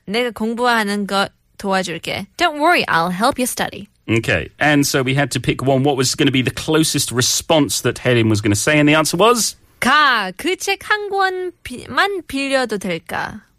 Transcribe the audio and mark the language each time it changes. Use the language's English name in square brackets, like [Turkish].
[Korean] 내가 공부하는 거 도와줄게. [English] Don't worry, I'll help you study. Okay, and so we had to pick one. What was going to be the closest response that Hedin was going to say? And the answer was? [Korean] 가, 그 책 한 권만 빌려도 될까?